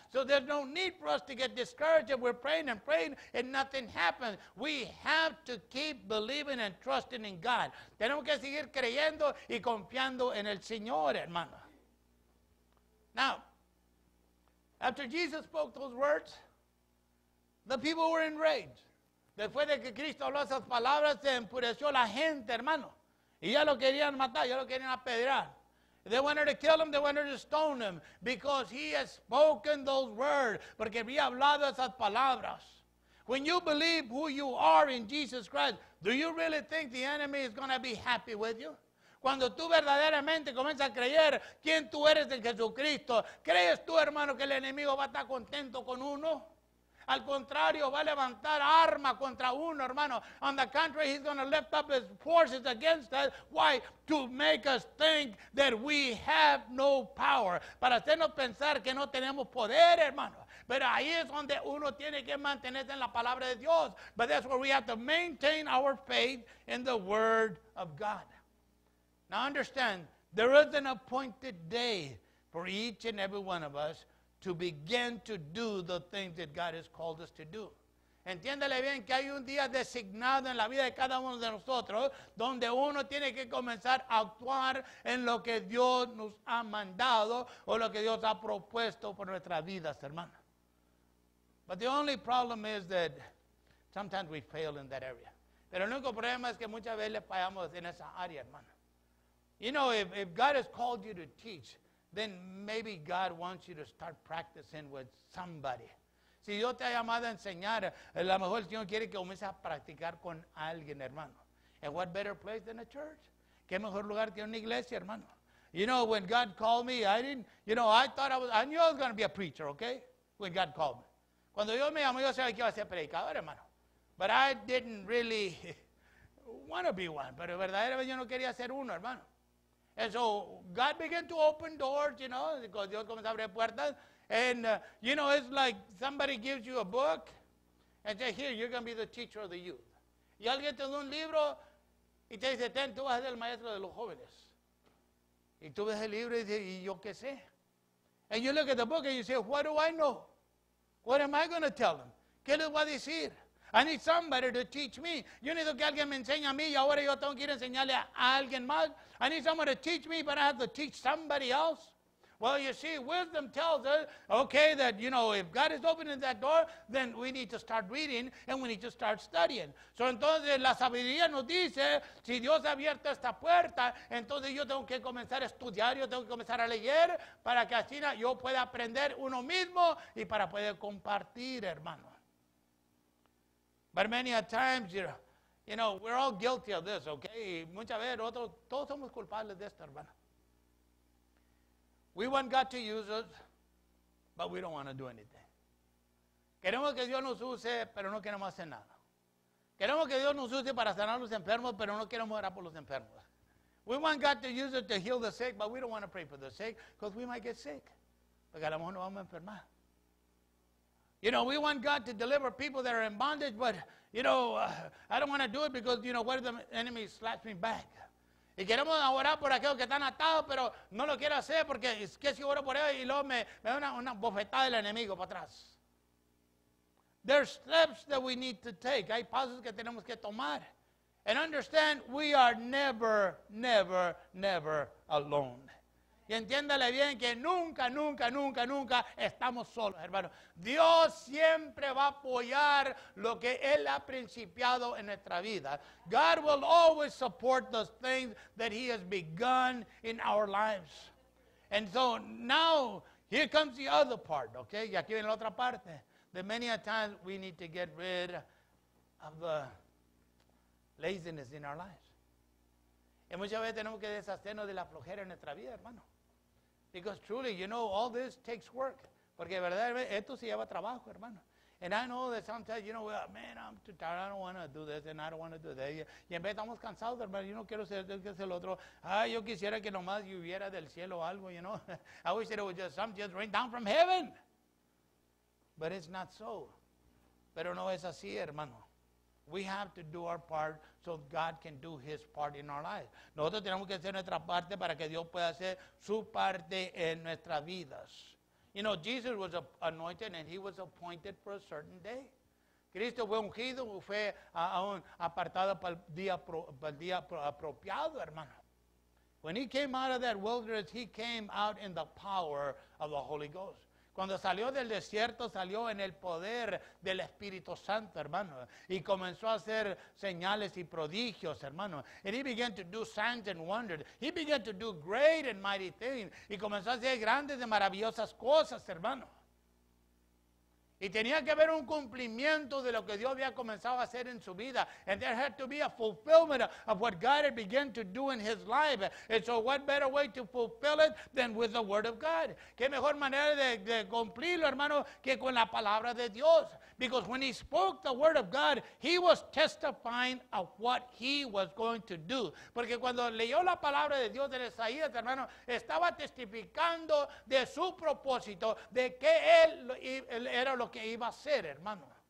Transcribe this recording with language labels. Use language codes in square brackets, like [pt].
[en] So there's no need for us to get discouraged if we're praying and praying and nothing happens. We have to keep believing and trusting in God. [es] Tenemos que seguir creyendo y confiando en el Señor, hermano. [en] Now, after Jesus spoke those words, the people were enraged. [es] Después de que Cristo habló esas palabras, se enfureció la gente, hermano. Y ya lo querían matar, ya lo querían apedrear. [en] They wanted to kill him, they wanted to stone him because he has spoken those words, [es] porque había hablado esas palabras. [en] When you believe who you are in Jesus Christ, do you really think the enemy is going to be happy with you? [es] Cuando tú verdaderamente comienzas a creer quién tú eres en Jesucristo, ¿crees tú, hermano, que el enemigo va a estar contento con uno? Al contrario, va a levantar arma contra uno, hermano. [en] On the contrary, he's going to lift up his forces against us. Why? To make us think that we have no power. [es] Para hacernos pensar que no tenemos poder, hermano. Pero ahí es donde uno tiene que mantenerse en la palabra de Dios. [en] But that's where we have to maintain our faith in the word of God. Now understand, there is an appointed day for each and every one of us to begin to do the things that God has called us to do. [es] Entiéndale bien que hay un día designado en la vida de cada uno de nosotros donde uno tiene que comenzar a actuar en lo que Dios nos ha mandado o lo que Dios ha propuesto por nuestras vidas, hermano. [en] But the only problem is that sometimes we fail in that area. [es] Pero el único problema es que muchas veces fallamos en esa área, hermano. [en] You know, if God has called you to teach, then maybe God wants you to start practicing with somebody. [es] Si Dios te ha llamado a enseñar, a lo mejor el Señor quiere que comiences a practicar con alguien, hermano. [en] And what better place than a church? [es] ¿Qué mejor lugar que una iglesia, hermano? [en] You know, when God called me, I knew I was going to be a preacher, okay? When God called me. [es] Cuando Dios me llamó, yo sabía que iba a ser predicador, hermano. [en] But I didn't really want to be one. [es] Pero verdaderamente yo no quería ser uno, hermano. [en] And so God began to open doors, you know, because [es] Dios comenzó a abrir puertas. [en] And, you know, it's like somebody gives you a book and says, here, you're going to be the teacher of the youth. [es] Y alguien te da un libro y te dice, ten, tú vas a ser el maestro de los jóvenes. Y tú ves el libro y dices, ¿y yo qué sé? [en] And you look at the book and you say, what do I know? What am I going to tell them? [es] ¿Qué les voy a decir? [en] I need somebody to teach me. [es] Yo necesito que alguien me enseñe a mí y ahora yo tengo que ir a enseñarle a alguien más. [en] I need someone to teach me, but I have to teach somebody else. Well, you see, wisdom tells us, okay, that, you know, if God is opening that door, then we need to start reading and we need to start studying. [es] So entonces la sabiduría nos dice, si Dios ha abierto esta puerta, entonces yo tengo que comenzar a estudiar, yo tengo que comenzar a leer para que así yo pueda aprender uno mismo y para poder compartir, hermano. [en] But many a times, you know, we're all guilty of this, okay? [es] Y muchas veces nosotros, todos somos culpables de esto, hermano. [en] We want God to use us, but we don't want to do anything. [es] Queremos que Dios nos use, pero no queremos hacer nada. Queremos que Dios nos use para sanar a los enfermos, pero no queremos orar por los enfermos. [en] We want God to use us to heal the sick, but we don't want to pray for the sick, because we might get sick. [es] Porque a lo mejor nos vamos a enfermar. [en] You know, we want God to deliver people that are in bondage, but, you know, I don't want to do it because, you know, what if the enemy slaps me back? [es] Y queremos orar por aquellos que están atados, pero no lo quiero hacer porque es que si oro por ellos y luego me da una bofetada del enemigo para atrás. [en] There's steps that we need to take. [es] Hay pasos que tenemos que tomar. [en] And understand, we are never, never, never alone. [es] Y entiéndale bien que nunca, nunca, nunca, nunca estamos solos, hermano. Dios siempre va a apoyar lo que Él ha principiado en nuestra vida. [en] God will always support those things that He has begun in our lives. And so now, here comes the other part, okay? [es] Y aquí viene la otra parte. [en] That many a times we need to get rid of the laziness in our lives. [es] Y muchas veces tenemos que deshacernos de la flojera en nuestra vida, hermano. [en] Because truly, you know, all this takes work. [es] Porque verdaderamente esto se lleva trabajo, hermano. [en] And I know that sometimes, you know, well, man, I'm too tired. I don't want to do this and I don't want to do that. [es] Y en vez estamos cansados, hermano. Yo no quiero ser el otro. Ah, yo quisiera que nomás lloviera del cielo algo, you know. [en] I wish that it would just rain down from heaven. But it's not so. [es] Pero no es así, hermano. [en] We have to do our part so God can do His part in our lives. [es] Nosotros tenemos que hacer nuestra parte para que Dios pueda hacer su parte en nuestras vidas. [en] You know, Jesus was anointed and He was appointed for a certain day. [es] Cristo fue ungido, fue aún apartado para el día apropiado, hermano. [en] When He came out of that wilderness, He came out in the power of the Holy Ghost. [es] Cuando salió del desierto, salió en el poder del Espíritu Santo, hermano. Y comenzó a hacer señales y prodigios, hermano. [en] And He began to do signs and wonders. He began to do great and mighty things. [es] Y comenzó a hacer grandes y maravillosas cosas, hermano. Y tenía que haber un cumplimiento de lo que Dios había comenzado a hacer en su vida. [en] And there had to be a fulfillment of what God had begun to do in His life. And so what better way to fulfill it than with the Word of God? [es] ¿Qué mejor manera de cumplirlo, hermano, que con la palabra de Dios? [en] Because when He spoke the Word of God, He was testifying of what He was going to do. [es] Porque cuando leyó la palabra de Dios en Isaías, hermano, estaba testificando de su propósito, de que Él era lo que iba a hacer, hermano.